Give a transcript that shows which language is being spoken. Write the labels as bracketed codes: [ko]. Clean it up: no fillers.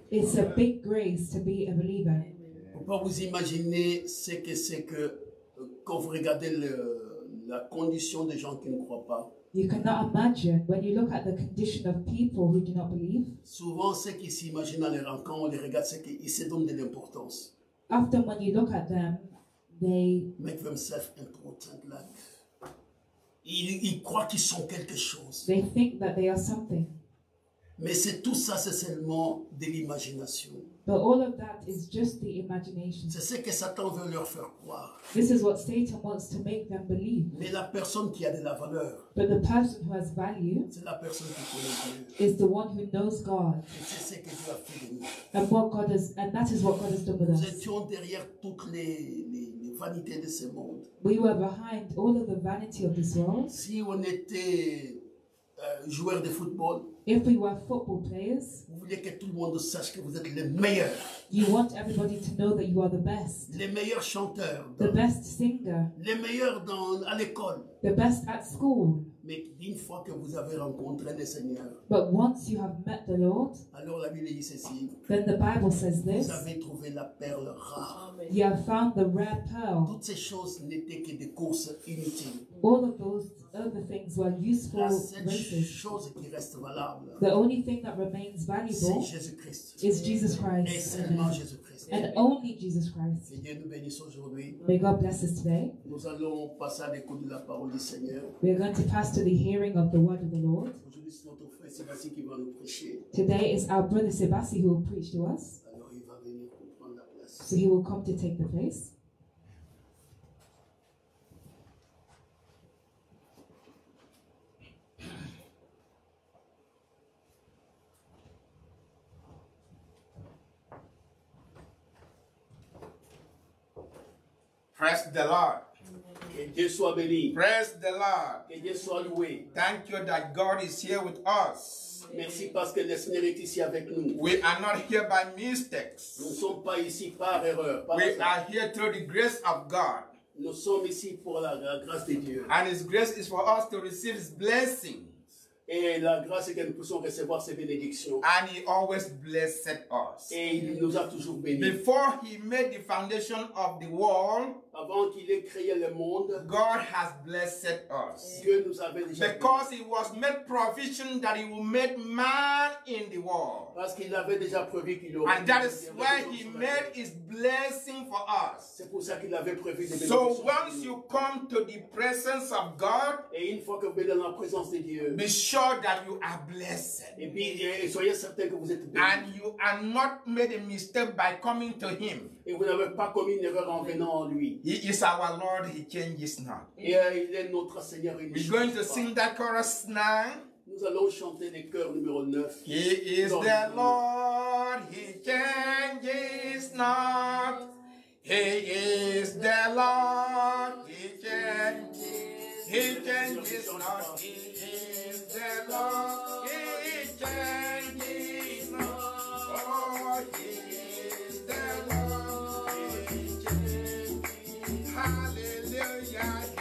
[en] It's a big grace to be a believer. [fr] Vous pouvez vous imaginer ce que c'est que quand vous regardez la condition des gens qui ne croient pas. [en] You cannot imagine when you look at the condition of people who do not believe. [fr] Souvent, ceux qui s'imaginent dans les rencontres, on les regarde, c'est qu'ils se donnent de l'importance. [en] Often, when you look at them, they make themselves important. [fr] Like, ils croient qu'ils sont quelque chose. [en] They think that they are something. [fr] Mais c'est tout ça, c'est seulement de l'imagination. [en] But all of that is just the imagination. [fr] C'est ce que Satan veut leur faire croire. [en] This is what Satan wants to make them believe. [fr] Mais la personne qui a de la valeur, [en] but the person who has value, [fr] c'est la personne qui connaît Dieu, [en] is the one who knows God. [fr] Et c'est ce que Dieu a fait de nous. [en] And what God has, and that is what God has done with us. [fr] Nous étions derrière toutes les vanités de ce monde. [en] We were behind all of the vanity of this world. [fr] Si on était joueur de football, [en] if we were football players, [fr] vous voulez que tout le monde sache que vous êtes les meilleurs. [en] You want everybody to know that you are the best. [fr] Les meilleurs chanteurs. [en] The best singer. [fr] Les meilleurs dans à l'école. [en] The best at school. [fr] Mais une fois que vous avez rencontré le Seigneur, [en] but once you have met the Lord, [fr] alors la Bible dit ceci, [en] then the Bible says this, [fr] vous avez trouvé la perle rare. [en] You have found the rare pearl. [fr] Toutes ces choses n'étaient que des courses inutiles. [en] All of those other things were useful [fr] la seule chose qui reste valable, [en] the only thing that remains valuable, [fr] c'est Jésus Christ. [en] Is Jesus Christ. [fr] Et seulement Jésus Christ. [en] And only Jesus Christ. [fr] Que Dieu nous bénisse aujourd'hui. [en] May God bless us today. [fr] Nous allons passer à l'écoute de la parole du Seigneur. [en] We are going to pass to the hearing of the word of the Lord. [fr] Aujourd'hui, c'est notre frère Sébastien qui va nous prêcher. [en] Today is our brother Sébastien who will preach to us. [fr] Alors, il va venir prendre la place. [en] So he will come to take the place. Praise the Lord. [fr] Que Dieu soit béni. [en] Praise the Lord. [fr] Que Dieu soit loué. [en] Thank you that God is here with us. [fr] Merci parce que le Seigneur est ici avec nous. [en] We are not here by mistakes. [fr] Nous ne sommes pas ici par erreur. Par [en] we are here through the grace of God. [fr] Nous sommes ici pour la grâce de Dieu. [en] And His grace is for us to receive His blessings. [fr] Et la grâce est que nous puissions recevoir ses bénédictions. [en] And he always blessed us. [fr] Et il nous a toujours bénis. [en] Before he made the foundation of the world, [fr] avant qu'il ait créé le monde, [en] God has blessed us. [fr] Dieu nous a bénis. [en] Because he was made provision that he will make man in the world. [fr] Parce qu'il avait déjà prévu qu'il aurait. [en] And that is why he made his blessing for us. [fr] C'est pour ça qu'il avait prévu des bénédictions. [en] So once you come to the presence of God, [fr] et une fois que vous êtes dans la présence de Dieu, [en] sure that you are blessed. [fr] Et soyez certain que vous êtes béni. [en] And you are not made a mistake by coming to him. [fr] Et vous n'avez pas commis une erreur en venant en lui. [en] He is our Lord, he changes not. [fr] Et il est notre Seigneur, il ne change pas. [en] We're going to sing that chorus now. [fr] Nous allons chanter le chœur numéro 9. [en] He is the Lord, he changes not. He is the Lord, he changes not. He changes not, he is the Lord, he changes not, oh, he is the Lord, he changes, hallelujah.